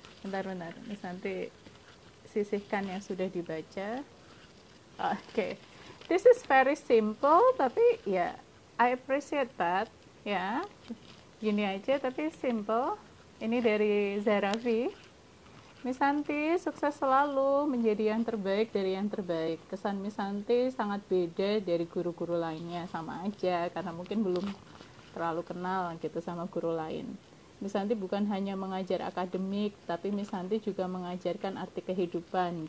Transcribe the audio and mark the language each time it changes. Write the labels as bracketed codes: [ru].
[id] Bentar-bentar, Miss Santi sisihkan yang sudah dibaca. Oke, okay. [en] This is very simple, [id] tapi ya, [en] yeah, I appreciate that, ya. [id] Yeah. Gini aja, tapi simple. Ini dari Zarafi. Miss Santi, sukses selalu menjadi yang terbaik dari yang terbaik. Kesan Miss Santi sangat beda dari guru-guru lainnya. Sama aja, karena mungkin belum terlalu kenal gitu sama guru lain. Miss Santi bukan hanya mengajar akademik, tapi Miss Santi juga mengajarkan arti kehidupan.